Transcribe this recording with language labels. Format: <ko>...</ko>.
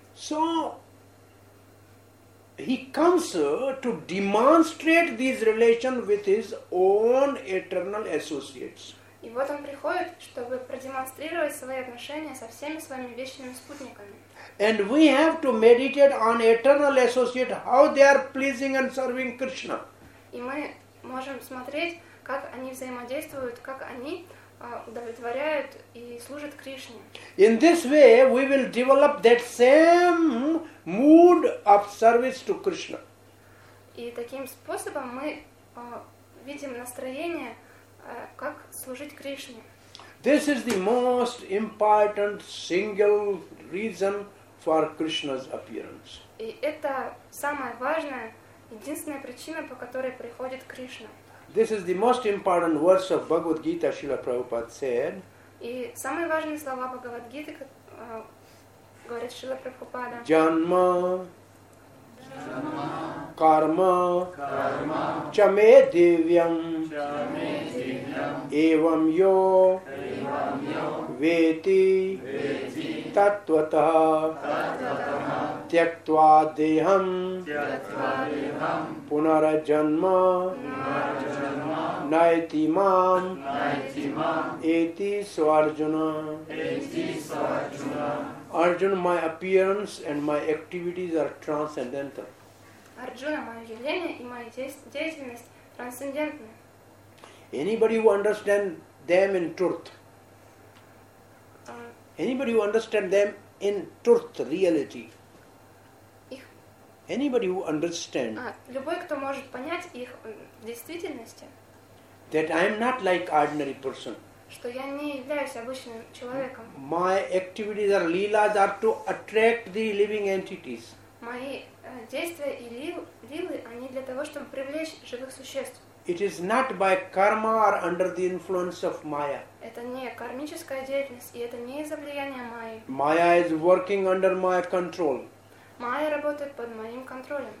<en>So he comes to demonstrate these relations with his own eternal associates.</en> <ru>И вот он приходит, чтобы продемонстрировать свои отношения со всеми своими вечными спутниками.</ru> <en>And we have to meditate on eternal associates, how they are pleasing and serving Krishna.</en> <ru>И мы можем смотреть, как они взаимодействуют, как они удовлетворяют и служат Кришне.</ru> <en>In this way, we will develop that same mood of service to Krishna.</en> <ru>И таким способом мы видим настроение, как служить Кришне.</ru> <en>This is the most important single reason for Krishna's appearance.</en> <ru>И это самая важная, единственная причина, по которой приходит Кришна.</ru> <en>This is the most important words of Bhagavad Gita, Srila Prabhupada said.</en> <ru>И самые важные слова Бхагавад Гиты, как говорит Шрила Прабхупада.</ru> <sa>Janma. Karma. Chame Divyam. Evam Yo. Veti. Tattvatah. Tyaktva Deham. Punara Janma. Naiti Mam. Eti Swarjuna.</sa> <en>Arjuna, my appearance and my activities are transcendental.</en> <ru>Арджуна, мое явление и моя деятельность трансцендентны.</ru> <en>Anybody who understand them in truth, anybody who understand them in truth, reality, anybody who understand,</en> <ru>любой, кто может понять их в действительности,</ru> <en>that I am not like ordinary person,</en> <ru>что я не являюсь обычным человеком.</ru> <en>My activities or leelas are to attract the living entities.</en> <ru>Мои действия и лилы, они для того, чтобы привлечь живых существ.</ru> <en>It is not by karma or under the influence of Maya.</en> <ru>Это не кармическая деятельность, и это не из-за влияния Майи.</ru> <en>Maya is working under my control.</en> <ru>Майя работает под моим контролем.</ru>